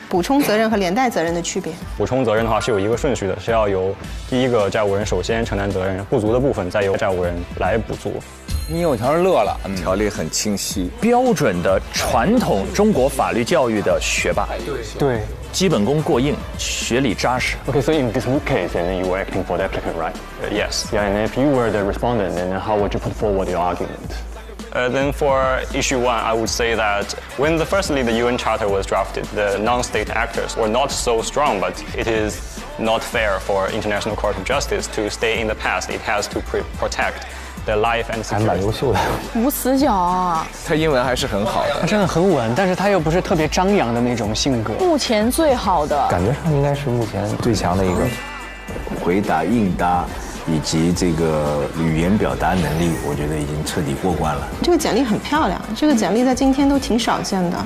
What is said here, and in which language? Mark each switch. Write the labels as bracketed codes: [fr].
[zh] 补充责任和连带责任的区别？补充责任的话是有一个顺序的，是要由第一个债务人首先承担责任，不足的部分再由债务人来补足。你有条乐了，条例很清晰，标准的传统中国法律教育的学霸，对，基本功过硬，学理扎实。 [en] OK, so in this case, and you were acting for the applicant, right? Yes. Yeah, and if you were the respondent, then how would you put forward your argument? Then for issue one, I would say that when firstly the UN Charter was drafted, the non-state actors were not so strong, but it is not fair for International Court of Justice to stay in the past. It has to protect the life and security. [zh] 还蛮优秀的，无死角啊。他英文还是很好的，他真的很稳，但是他又不是特别张扬的那种性格。目前最好的，感觉上应该是目前最强的一个。回答应答以及这个语言表达能力，我觉得已经彻底过关了。这个简历很漂亮，这个简历在今天都挺少见的，